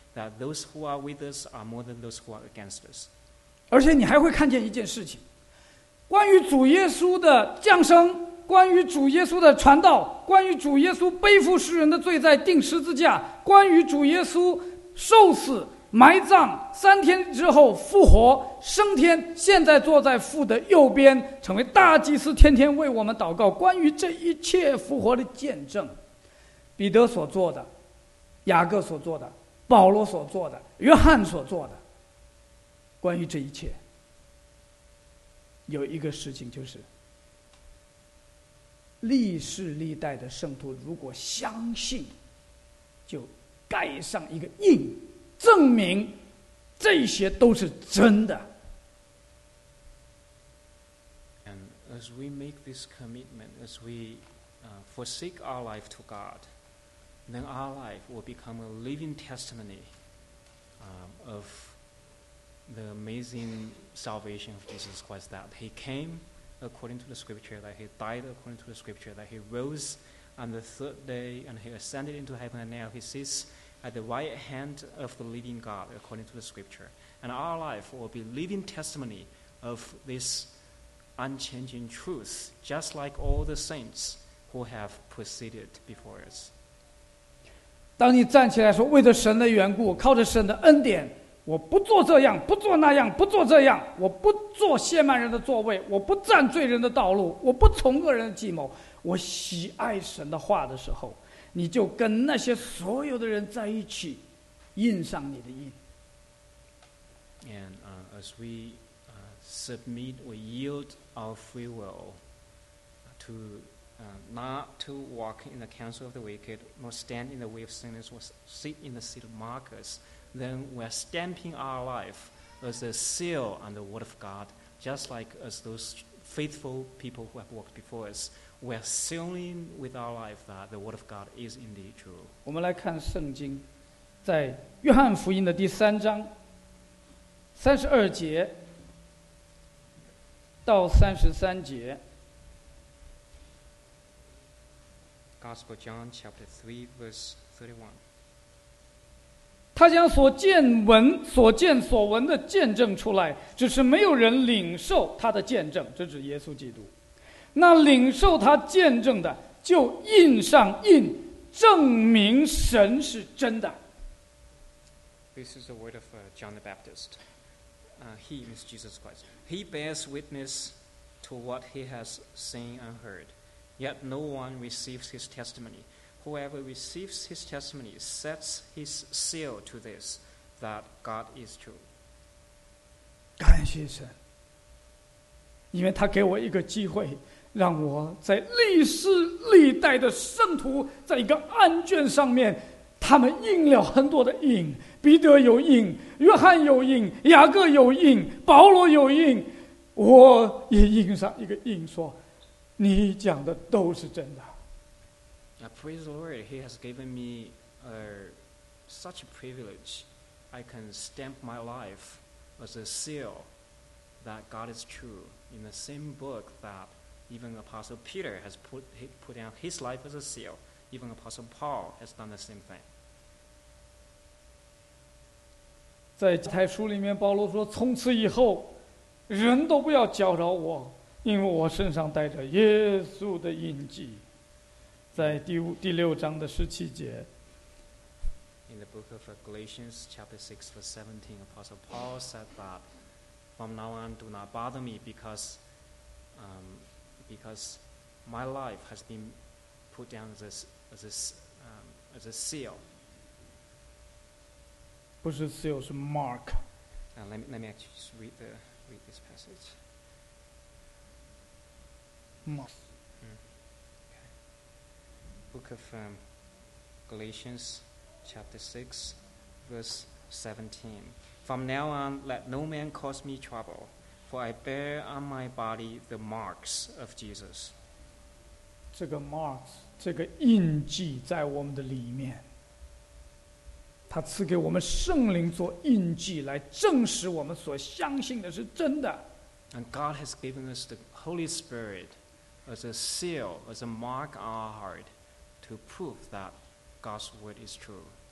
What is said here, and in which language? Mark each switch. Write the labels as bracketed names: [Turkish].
[English] that those who are with us are more than those who are against us. [Chinese] 而且你还会看见一件事情，关于主耶稣的降生，关于主耶稣的传道，关于主耶稣背负世人的罪在钉十字架，关于主耶稣受死埋葬，三天之后复活升天，现在坐在父的右边，成为大祭司，天天为我们祷告。关于这一切复活的见证，彼得所做的，雅各所做的，保罗所做的，约翰所做的，关于这一切，有一个事情，就是历世历代的圣徒如果相信，就盖上一个印，证明这些都是真的。 [English] And as we make this commitment, as we forsake our life to God, then our life will become a living testimony of the amazing salvation of Jesus Christ, that he came according to the scripture, that he died according to the scripture, that he rose on the third day, and he ascended into heaven, and now he sits at the right hand of the living God, according to the scripture. And our life will be living testimony of this unchanging truth, just like all the saints who have proceeded before us. [Chinese] 当你站起来说，为着神的缘故，靠着神的恩典，我不做这样，不做那样，不做这样，我不做亵慢人的座位，我不占罪人的道路，我不从恶人的计谋，我喜爱神的话的时候，你就跟那些所有的人在一起，印上你的印。 [English] And as we submit, we yield our free will to not to walk in the counsel of the wicked, nor stand in the way of sinners, nor sit in the seat of mockers, then we're stamping our life as a seal on the word of God, just like as those faithful people who have walked before us. We are sealing with our life that the word of God is indeed true. [Chinese] 我们来看圣经，在约翰福音的第三章三十二节到三十三节。 [English] Gospel John chapter 3 verse 31. [Chinese] 他将所见闻、所见所闻的见证出来，只是没有人领受他的见证，这指耶稣基督。那领受他见证的，就印上印，证明神是真的。 [English] This is the word of John the Baptist. He is Jesus Christ. He bears witness to what he has seen and heard. Yet no one receives his testimony. Whoever receives his testimony sets his seal to this, that God is true. [Chinese] 感谢神，因为他给我一个机会。让我在历世历代的圣徒在一个案卷上面，他们印了很多的印，彼得有印，约翰有印，雅各有印，保罗有印，我也印上一个印，说你讲的都是真的。 [English] Praise the Lord, he has given me such a privilege. I can stamp my life as a seal that God is true in the same book thatEven Apostle Peter has put down his life as a seal. Even Apostle Paul has done the same thing. [Chinese] 在加太书里面，保罗说：“从此以后，人都不要搅扰我，因为我身上带着耶稣的印记。” 在第六章的十七节。 [English] In the book of Galatians, chapter 6, verse 17, Apostle Paul said that, "From now on, do not bother me, because." Because my life has been put down as a seal. [Chinese] 不是 seal, 是 mark. [English] Let me actually just read this passage. Mark. Okay. Book of Galatians, chapter 6, verse 17. From now on, let no man cause me trouble. For I bear on my body the marks of Jesus. [Chinese] 这个 marks, 这个印记在我们的里面。他赐给我们圣灵做印记，来证实我们所相信的是真的。 [English] And God has given us the Holy Spirit as a seal, as a mark on our heart, to prove that God's word is true.